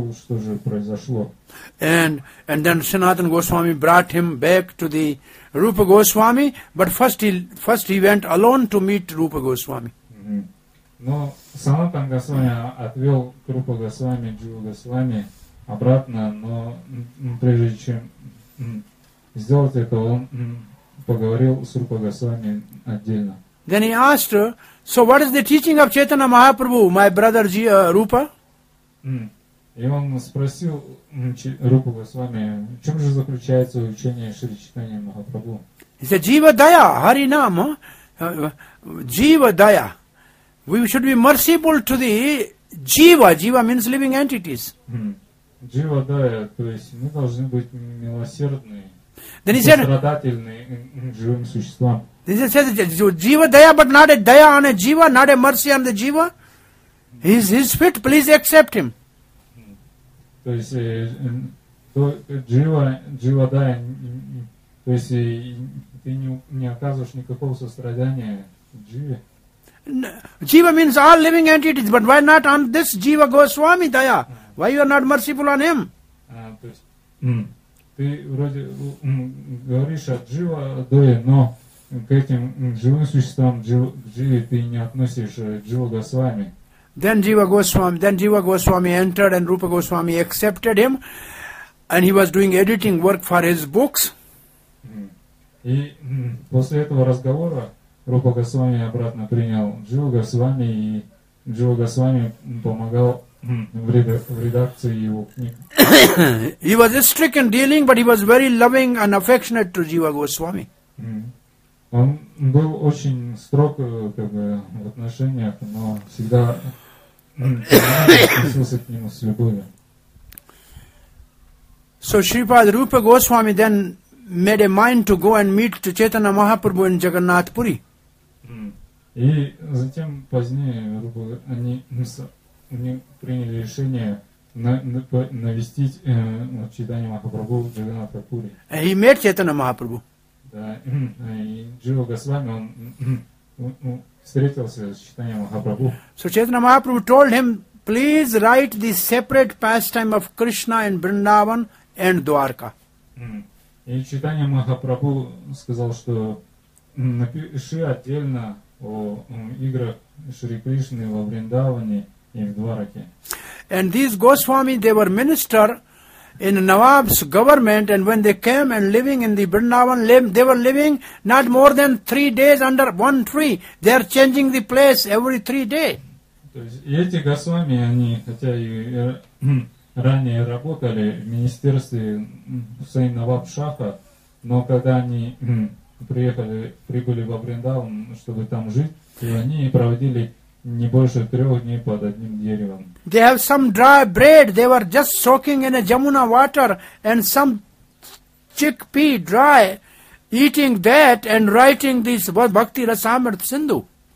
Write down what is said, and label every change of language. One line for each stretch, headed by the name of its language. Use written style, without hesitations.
English: And then Sanatana Goswami brought him back to the Rupa Goswami, but first he went alone to meet Rupa Goswami.
Russian: Но Санатан Госвами отвел Рупа Госвами, Джива Госвами обратно, но прежде чем сделать это, он поговорил с Рупа Госвами отдельно.
English: Then he asked, so what is the teaching of Chaitanya Mahaprabhu, my brother Rupa?
Russian: И он спросил Рупа Госвами, в чем же заключается учение Шри Чайтаньи Махапрабху?
English: He said, Jiva Daya, Harinam, Jiva Daya. We should be merciful to the Jiva. Jiva means living entities.
Russian: Jiva Daya, то есть мы должны быть милосердны, сострадательны живым существам.
English: He said, Jiva Daya, but not a Daya on a Jiva, not a mercy on the Jiva. He's fit, please accept him.
Russian: То есть Джива Дая, то есть ты не оказываешь никакого сострадания Дживе. Джива means all living entities, but why not on this Jiva Goswami Daya?
English: Why you are not merciful on him?
Russian: То есть ты вроде говоришь о Джива Дое, но к этим живым существам Дживе ты не относишь Джива Госвами.
English: Then Jiva Goswami entered and Rupa Goswami accepted him and he was doing editing work for his books.
Russian: И после этого разговора Рупа Госвами обратно принял Джива Госвами и Джива Госвами помогал в редакции его книг.
English: He was strict in dealing, but he was very loving and affectionate to Jiva Goswami.
Russian: Он был очень строг, как бы, в отношениях, но всегда относился к нему с любовью.
English: So Shripad Rupa Goswami then made a mind to go and meet Chaitanya Mahaprabhu in Jagannath Puri.
Russian: И затем позднее они приняли решение навестить Чайтанья Махапрабху в Джаганнатха Пури.
English: And he met Chaitanya Mahaprabhu.
Russian: Да, и Джива Госвами он встретился с Чайтанья Махапрабху.
English: So Chaitanya Mahaprabhu told him, please write the separate pastime of Krishna in Vrindavan and Dwarka.
Russian: И Чайтанья Махапрабху сказал, что напиши отдельно о играх Шри Кришны во Вриндаване и в Двараке.
English: And these Goswami, they were minister in Nawab's government, and when they came and living in the Vrindavan, they were living not more than 3 days under one tree. They are changing the place every 3 days.
Russian: То есть эти Госвами, они хотя и ранее работали в министерстве Сейн Наваб Шаха, но когда они прибыли во Вриндаван, чтобы там жить, то они проводили не больше 3 дней под одним деревом.
English: They have some dry bread. They were just soaking in a Jamuna water and some chickpea dry, eating that and writing this Bhakti Rasamrita Sindhu.